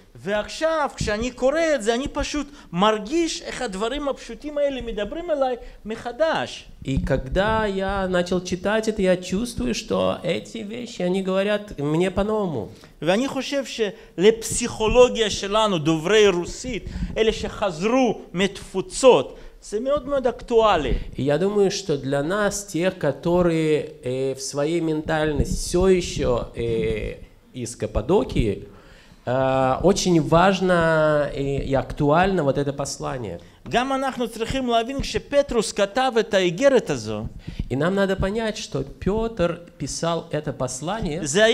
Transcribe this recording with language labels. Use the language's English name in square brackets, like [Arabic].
[Hebrew] ועכשיו, כשאני קורא את זה, אני פשוט מרגיש איך הדברים הפשוטים האלה מדברים אליי מחדש. [Russian] И когда я начал читать это, я чувствую, что эти вещи, они говорят мне по-новому. [Hebrew] ואני חושב שלפסיכולוגיה שלנו, דוברי רוסית, אלה שחזרו מתפוצות, זה מאוד מאוד אקטואלי. [Russian] Я думаю, что для нас, тех, которые в своей ментальности все еще из Каппадокии, очень важно и актуально вот это послание. И нам надо понять, что Петр писал это послание.